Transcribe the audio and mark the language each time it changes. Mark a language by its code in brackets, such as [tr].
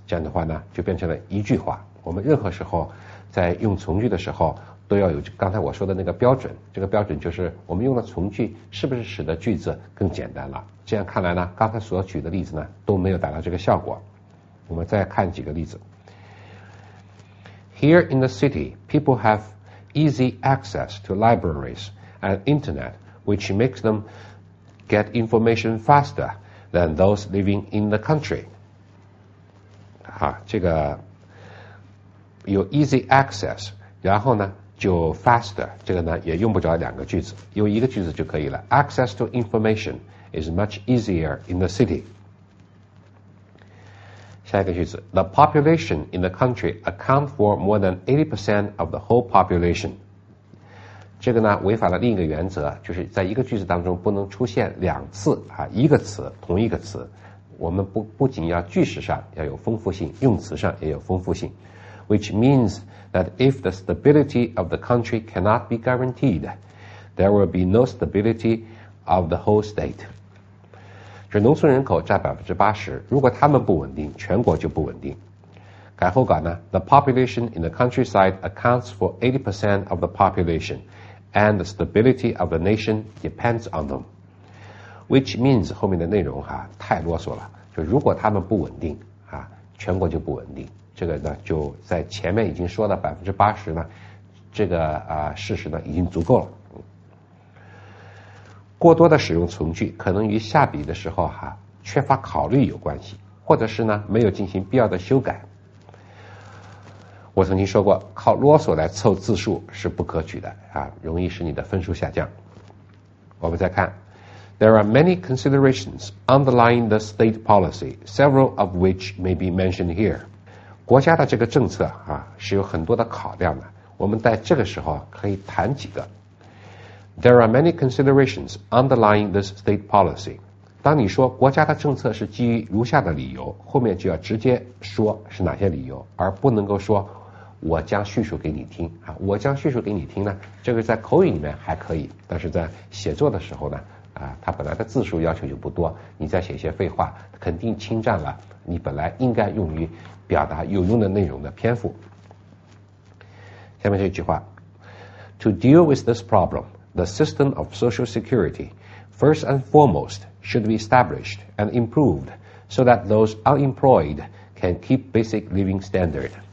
[zh] 这样的话呢，就变成了一句话。我们任何时候在用从句的时候都要有刚才我说的那个标准，这个标准就是我们用了从句是不是使得句子更简单了。这样看来呢，刚才所举的例子呢都没有达到这个效果。我们再看几个例子。 [en] Here in the city, people have easy access to libraries and internet, which makes them get information faster than those living in the country. [zh] 啊，这个有 [en] easy access, [zh] 然后呢就 faster, 这个呢也用不着两个句子，用一个句子就可以了。 [en] Access to information is much easier in the city. [zh] 下一个句子 [en] The population in the country account for more than 80% of the whole population. [zh] 这个呢违反了另一个原则，就是在一个句子当中不能出现两次啊，一个词同一个词，我们不仅要句式上要有丰富性，用词上也有丰富性。 [en] Which means that if the stability of the country cannot be guaranteed, there will be no stability of the whole state. [zh] 就农村人口占80%，如果他们不稳定，全国就不稳定。改后稿呢 [en] ？The population in the countryside accounts for 80% of the population, and the stability of the nation depends on them. Which means [zh] 后面的内容哈、啊、太啰嗦了。就如果他们不稳定啊，全国就不稳定。这个呢就在前面已经说了80%呢，这个啊、事实呢已经足够了。过多的使用从句可能与下笔的时候哈、啊、缺乏考虑有关系，或者是呢没有进行必要的修改。我曾经说过，靠啰嗦来凑字数是不可取的啊，容易使你的分数下降。我们再看 [en] There are many considerations underlying the state policy, several of which may be mentioned here. [zh] 国家的这个政策啊是有很多的考量的，我们在这个时候可以谈几个。 [en] There are many considerations underlying this state policy. [zh] 当你说国家的政策是基于如下的理由，后面就要直接说是哪些理由，而不能够说我将叙述给你听啊。我将叙述给你听呢，这个在口语里面还可以，但是在写作的时候呢啊，它本来的字数要求就不多，你再写一些废话，肯定侵占了你本来应该用于表达有用的内容的篇幅。下面这句话 [en] To deal with this problem, the system of social security, first and foremost, should be established and improved so that those unemployed can keep basic living standard.